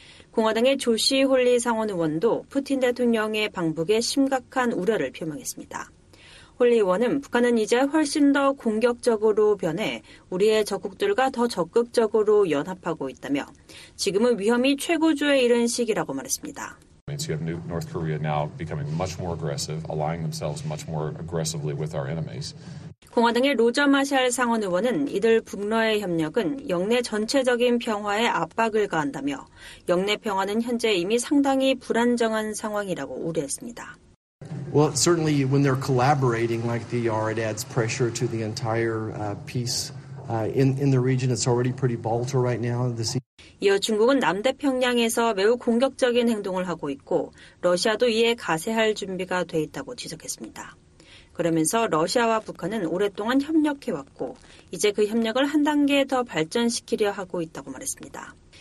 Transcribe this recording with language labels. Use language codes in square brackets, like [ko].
[ko] 공화당의 조시 홀리 상원 의원도 푸틴 대통령의 방북에 심각한 우려를 표명했습니다. 홀리 의원은 북한은 이제 훨씬 더 공격적으로 변해 우리의 적국들과 더 적극적으로 연합하고 있다며 지금은 위험이 최고조에 이른 시기라고 말했습니다. [en] You have North Korea now becoming much more aggressive, aligning themselves much more aggressively with our enemies. [ko] 공화당의 로저 마샬 상원 의원은 이들 북러의 협력은 영내 전체적인 평화에 압박을 가한다며 영내 평화는 현재 이미 상당히 불안정한 상황이라고 우려했습니다. [en] Well, certainly when they're collaborating like they are, it adds pressure to the entire peace in the region. It's already pretty volatile right now. [ko] 이어 중국은 남태평양에서 매우 공격적인 행동을 하고 있고 러시아도 이에 가세할 준비가 돼 있다고 지적했습니다. 그러면서 러시아와 북한은 오랫동안 협력해왔고 이제 그 협력을 한 단계 더 발전시키려 하고 있다고 말했습니다.